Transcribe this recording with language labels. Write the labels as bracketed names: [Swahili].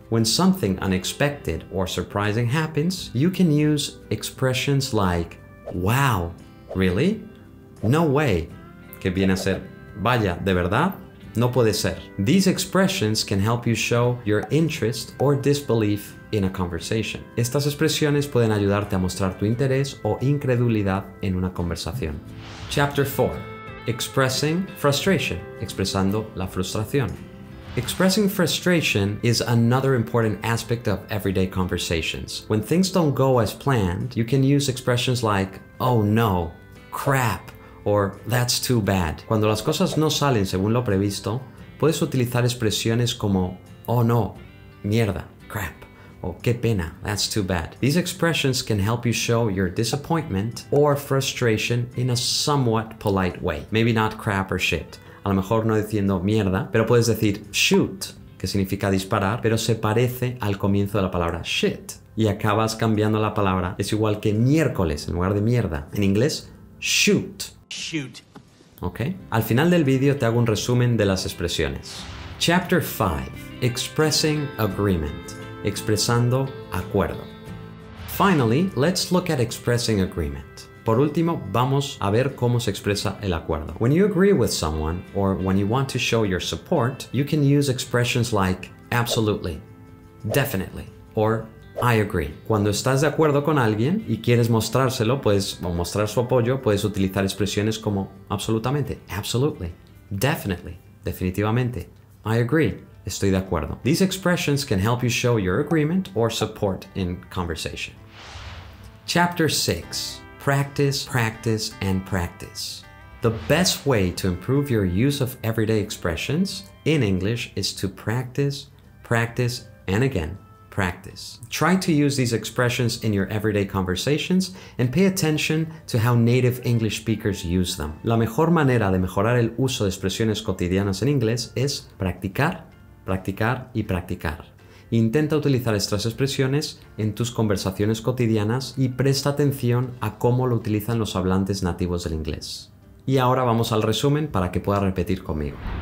[English] When something unexpected or surprising happens, you can use expressions like wow, really? No way. [Spanish] Que viene a ser vaya, ¿de verdad? No puede ser. [English] These expressions can help you show your interest or disbelief in a conversation. [Spanish] Estas expresiones pueden ayudarte a mostrar tu interés o incredulidad en una conversación. [English] Chapter 4. Expressing frustration. [Spanish] Expresando la frustración. [English] Expressing frustration is another important aspect of everyday conversations. When things don't go as planned, you can use expressions like, oh no, crap, or that's too bad. [Spanish] Cuando las cosas no salen según lo previsto, puedes utilizar expresiones como, oh no, mierda, crap. Oh, qué pena, [English] that's too bad. These expressions can help you show your disappointment or frustration in a somewhat polite way. Maybe not crap or shit. [Spanish] A lo mejor no diciendo mierda, pero puedes decir shoot, que significa disparar, pero se parece al comienzo de la palabra shit. Y acabas cambiando la palabra. Es igual que miércoles en lugar de mierda. En inglés, shoot. [English] Shoot. Okay. [Spanish] Al final del vídeo te hago un resumen de las expresiones. [English] Chapter 5. Expressing agreement. [Spanish] Expresando acuerdo. [English] Finally, let's look at expressing agreement. [Spanish] Por último, vamos a ver cómo se expresa el acuerdo. [English] When you agree with someone or when you want to show your support, you can use expressions like absolutely, definitely, or I agree. [Spanish] Cuando estás de acuerdo con alguien y quieres mostrárselo, puedes, o mostrar su apoyo, puedes utilizar expresiones como absolutamente, absolutely, definitely, definitivamente, [English] I agree, [Spanish] Estoy de acuerdo. [English] These expressions can help you show your agreement or support in conversation. Chapter 6. Practice, practice, and practice. The best way to improve your use of everyday expressions in English is to practice, practice, and again, practice. Try to use these expressions in your everyday conversations and pay attention to how native English speakers use them. [Spanish] La mejor manera de mejorar el uso de expresiones cotidianas en inglés es practicar, practicar y practicar. Intenta utilizar estas expresiones en tus conversaciones cotidianas y presta atención a cómo lo utilizan los hablantes nativos del inglés. Y ahora vamos al resumen para que puedas repetir conmigo.